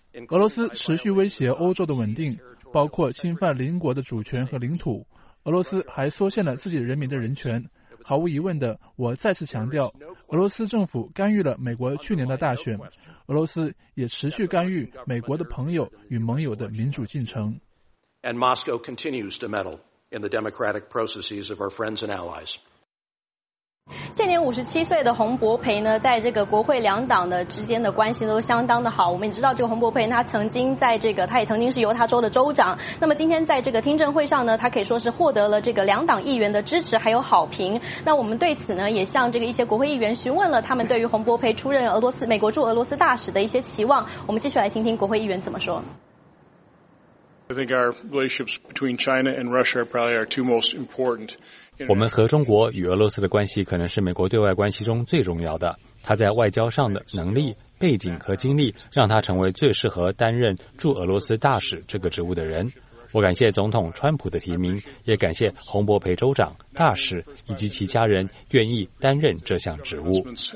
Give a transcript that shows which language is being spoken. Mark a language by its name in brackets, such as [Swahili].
[Chinese] 俄罗斯持续威胁欧洲的稳定，包括侵犯邻国的主权和领土。俄罗斯还缩限了自己人民的人权。毫无疑问的，我再次强调，俄罗斯政府干预了美国去年的大选，俄罗斯也持续干预美国的朋友与盟友的民主进程。 [English] And Moscow continues to meddle in the democratic processes of our friends and allies. [Chinese] 现年57岁的洪博培呢，在这个国会两党的之间的关系都相当的好。我们也知道，这个洪博培他曾经在这个，他也曾经是犹他州的州长。那么今天在这个听证会上呢，他可以说是获得了这个两党议员的支持还有好评。那我们对此呢，也向这个一些国会议员询问了他们对于洪博培出任美国驻俄罗斯大使的一些期望。我们继续来听听国会议员怎么说。 [English] I think our relationships between China and Russia probably are two most important. [Chinese] 我们和中国与俄罗斯的关系可能是美国对外关系中最重要的。他在外交上的能力、背景和经历让他成为最适合担任驻俄罗斯大使这个职务的人。我感谢总统川普的提名，也感谢洪博培州长、大使以及其家人愿意担任这项职务。